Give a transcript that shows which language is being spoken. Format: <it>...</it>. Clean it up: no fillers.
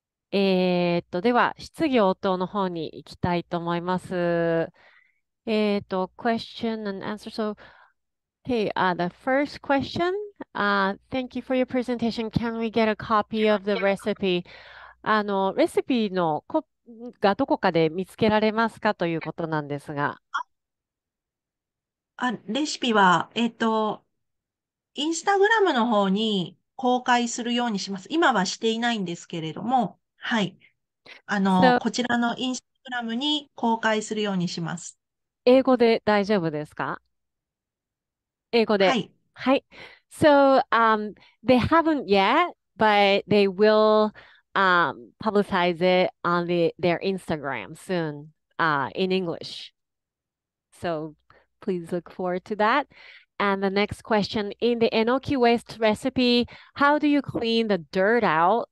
<ja>では、質疑応答の方に行きたいと思います。</ja> <en>question and answer. So, hey, the first question, thank you for your presentation. Can we get a copy of the recipe?</en> <ja>レシピのがどこかで見つけられますかということなんですが。レシピは、インスタグラムの方に公開するようにします。今はしていないんですけれども、はい。こちらのインスタグラムに公開するようにします。英語で大丈夫ですか？英語で。はい。はい。</ja> <en>So, they haven't yet, but they will, publicize it on their Instagram soon, in English. So, please look forward to that. And the next question, in the enoki waste recipe, how do you clean the dirt out?</en>